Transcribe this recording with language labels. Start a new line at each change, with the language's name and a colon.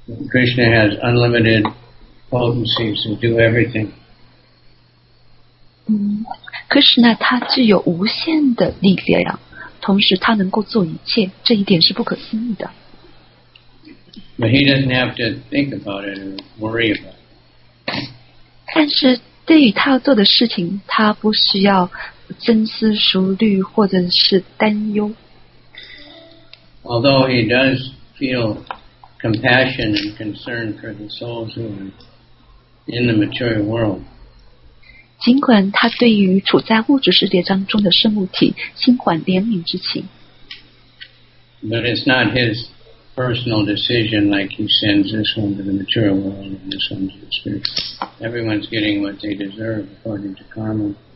English: Krishna has unlimited potencies to do everything. Krishna, he has unlimited
Chinese: 力量. 同时他能够做一切，这一点是不可思议的。
English: But he doesn't have to think about it or worry about it.
Chinese: 但是对于他做的事情，他不需要深思熟虑或者是担忧。
English: Although he does feel compassion and concern for the souls who are in the material world.
Chinese: 尽管他对于处在物质世界当中的生物体心怀怜悯之情，
English: But it's not his personal decision like he sends this one to the material world and this one to the spirit. Everyone's getting what they deserve according to karma.